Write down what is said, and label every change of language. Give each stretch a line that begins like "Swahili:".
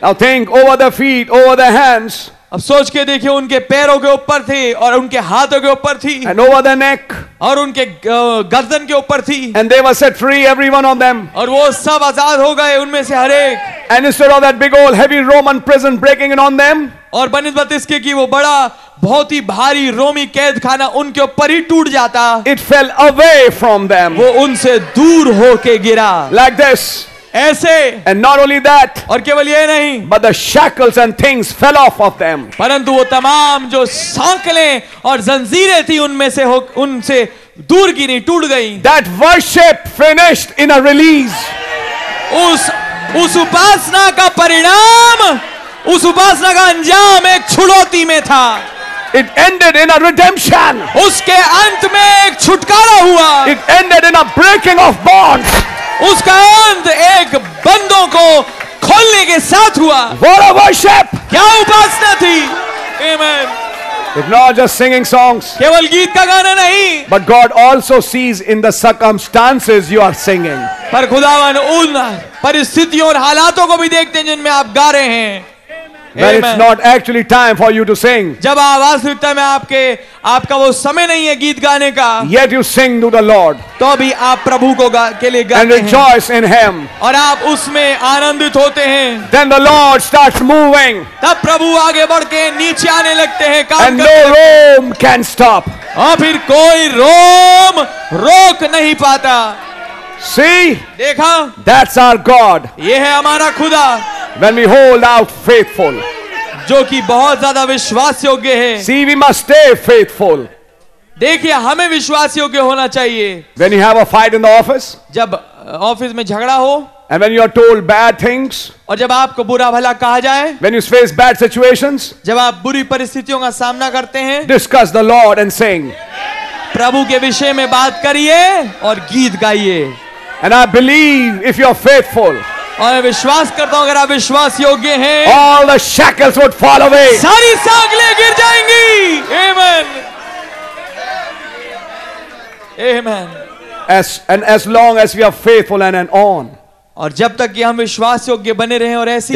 English: now think over the feet over the hands
Hindi: अब सोच के देखिए उनके पैरों के ऊपर थी और उनके हाथों के ऊपर थी
English: and over the neck
Hindi: और उनके गर्दन के ऊपर थी
English: and they were set free everyone on them
Hindi: और वो सब आजाद हो गए उनमें से हर एक
English: and instead of that big old heavy Roman prison breaking in on them
Hindi: और बनिस्बत इसके कि वो बड़ा बहुत ही भारी रोमी कैद खाना उनके ऊपर ही टूट जाता
English: it fell away from them
Hindi: वो उनसे दूर होके गिरा
English: like this
Hindi: ऐसे
English: and not only that
Hindi: और केवल ये नहीं
English: but the shackles and things fell off off them
Hindi: परंतु वो तमाम जो सांकलें और जंजीरें थी उनमें से उनसे दूर गिरी टूट गई
English: that worship finished in a release
Hindi: उस उपासना का परिणाम उस उपासना का अंजाम एक छुड़ौती में था
English: it ended in a redemption
Hindi: उसके अंत में एक छुटकारा हुआ
English: it ended in a breaking off bonds
Hindi: उसका अंत एक बंधनों को खोलने के साथ हुआ
English: what a worship
Hindi: क्या उपासना थी आमेन
English: it not just singing songs
Hindi: केवल गीत का गाना नहीं
English: but God also sees in the circumstances you are singing
Hindi: पर खुदावन उन परिस्थितियों और हालातों को भी देखते हैं जिनमें आप गा रहे हैं
English: When it's not actually time for you to sing.
Hindi: जब आवाज रुकता में आपके आपका वो समय नहीं है गीत गाने का.
English: Yet you sing to the Lord.
Hindi: तो भी आप प्रभु को के लिए गाते हैं.
English: And rejoice in Him.
Hindi: और आप उसमें आनंदित होते हैं.
English: Then the Lord starts moving.
Hindi: तब प्रभु आगे बढ़के नीचे आने लगते हैं काम करने.
English: And no Rome can stop.
Hindi: और फिर कोई रोम रोक नहीं पाता.
English: See?
Hindi: देखा?
English: That's our God.
Hindi: ये है हमारा खुदा.
English: When we hold out faithful,
Hindi: जो कि बहुत ज़्यादा विश्वास योग्य है.
English: See, we must stay faithful.
Hindi: देखिए हमें विश्वास योग्य होना चाहिए.
English: When you have a fight in the office,
Hindi: जब office में झगड़ा हो,
English: and when you are told bad things,
Hindi: और जब आपको बुरा भला कहा जाए,
English: when you face bad situations,
Hindi: जब आप बुरी परिस्थितियों का सामना करते हैं,
English: discuss the Lord and sing.
Hindi: प्रभु के विषय में बात करिए और गीत गाइए.
English: And I believe if you are faithful.
Hindi: और विश्वास करता हूं अगर आप विश्वास योग्य हैं
English: all the shackles would fall away
Hindi: सारी सांकलें गिर जाएंगी आमेन आमेन
English: as long as we are faithful and on
Hindi: और जब तक कि हम विश्वास योग्य बने रहें और ऐसी